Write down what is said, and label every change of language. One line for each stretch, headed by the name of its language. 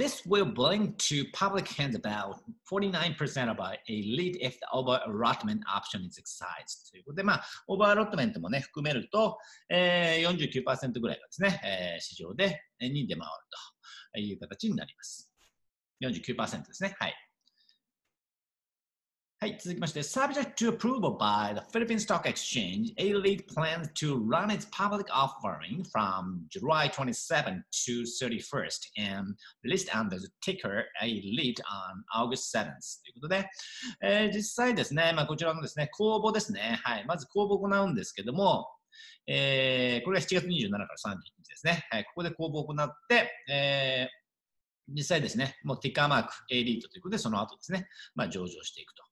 English: This will bring to public hands about 49% of a REIT if the over allotment option is exercised
Japanese: ということで、オーバーアロットメントもね、含めると、49% ぐらいがですね、市場で、に出回るという形になります。 49% ですね。はい。はい、続きまして、
English: Subject to approval by the Philippine Stock Exchange, A-REIT plans to run its public offering from July 27 to 31st and list under the ticker A-REIT on August 7th.
Japanese: ということで、実際ですね、こちらのですね、公募ですね。はい、まず公募を行うんですけども、これが7月27日から31日ですね。はい、ここで公募を行って、実際ですね、もうティッカーマーク A-REIT ということで、その後ですね、上場していくと。